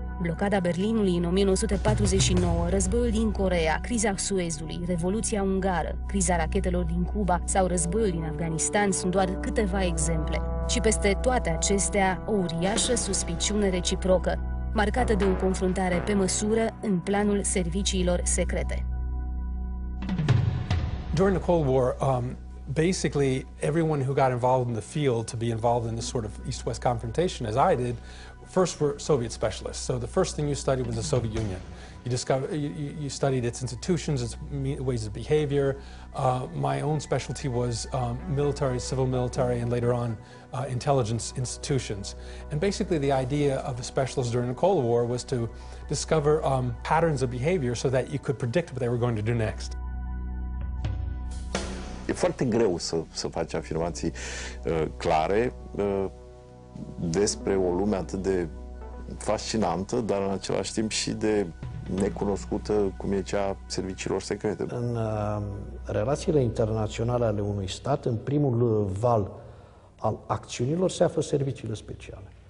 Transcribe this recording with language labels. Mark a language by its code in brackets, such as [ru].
[ro] Blocada Berlinului în 1949, războiul din Coreea, criza Suezului, Revoluția Ungară, criza rachetelor din Cuba sau războiul din Afganistan sunt doar câteva exemple. Și peste toate acestea, o uriașă suspiciune reciprocă, marcată de o confruntare pe măsură în planul serviciilor secrete. [en] During the Cold War, basically everyone who got involved in the field to be involved in this sort of East-West confrontation, as I did, first were Soviet specialists. So the first thing you studied was the Soviet Union. You studied its institutions, its ways of behavior. My own specialty was military, civil military, and later on intelligence institutions. And basically the idea of a specialist during the Cold War was to discover patterns of behavior so that you could predict what they were going to do next. [ro] E foarte greu să faci afirmații clare despre o lume atât de fascinantă, dar în același timp și de necunoscută, cum e cea serviciilor secrete. În relațiile internaționale ale unui stat, în primul val al acțiunilor se află serviciile speciale.